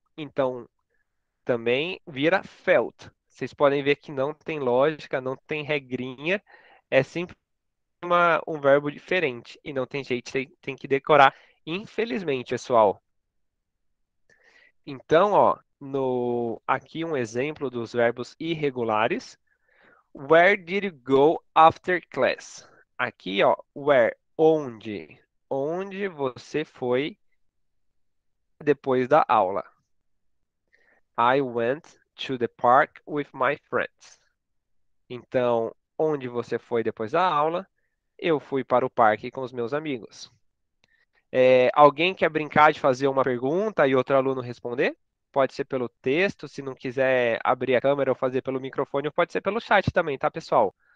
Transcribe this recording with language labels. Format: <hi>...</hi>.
<pt>Então, também vira felt. Vocês podem ver que não tem lógica, não tem regrinha, é simplesmente um verbo diferente e não tem jeito, tem que decorar, infelizmente, pessoal. Então, ó, no aqui um exemplo dos verbos irregulares.</pt> <en>Where did you go after class?</en> <pt>Aqui, ó, where, onde? Onde você foi depois da aula?</pt> <en>I went to the park with my friends.</en> <pt>Então, onde você foi depois da aula? Eu fui para o parque com os meus amigos. Alguém quer brincar de fazer uma pergunta e outro aluno responder? Pode ser pelo texto, se não quiser abrir a câmera ou fazer pelo microfone, pode ser pelo chat também, tá, pessoal?</pt>